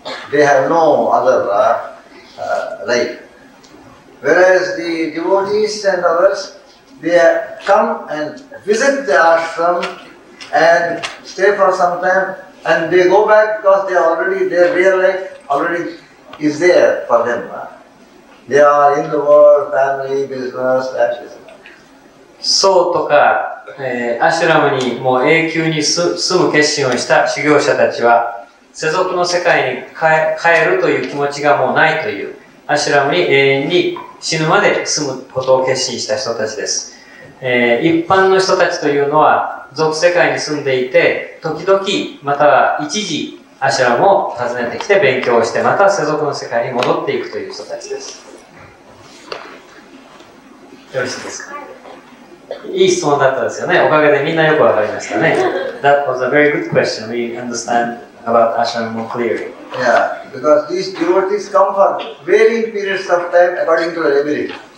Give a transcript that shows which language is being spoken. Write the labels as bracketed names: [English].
[English] They have no other life. Whereas the devotees and others, they come and visit the ashram and stay for some time, and they go back because they already, their real life already is there for them. They are in the world, family, business, etc. [Japanese] So, とか、アシュラムにもう永久に住む決心をした修行者たちは、世俗の世界に帰るという気持ちがもうないという、アシュラムに永遠に死ぬまで住むことを決心した人たちです。一般の人たちというのは俗世界に住んでいて、時々または一時アシュラムを訪ねてきて勉強をして、また世俗の世界に戻っていくという人たちです。よろしいですか？いい質問だったですよね。おかげでみんなよくわかりましたね。 [English] That was a very good question. We understand about ashram more clearly. Yeah, because these devotees come for varying periods of time according to their ability.